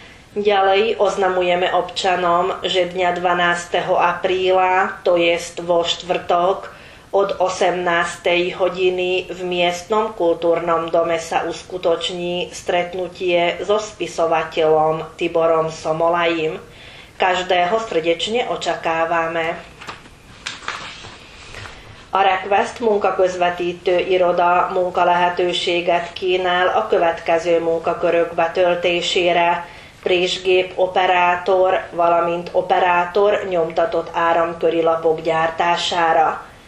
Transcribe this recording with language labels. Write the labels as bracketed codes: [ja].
[sk] Ďalej oznamujeme občanom, že dňa 12. apríla, to jest vo štvrtok, od 18. hodiny v miestnom kultúrnom dome sa uskutoční stretnutie so spisovateľom Tiborom Somolajim. Každého srdečne očakávame. [hu] A request munkaközvetítő iroda munkalehetőséget kínál a következő munkakörök betöltésére. Présgép operátor, valamint operátor nyomtatott áramköri lapok gyártására.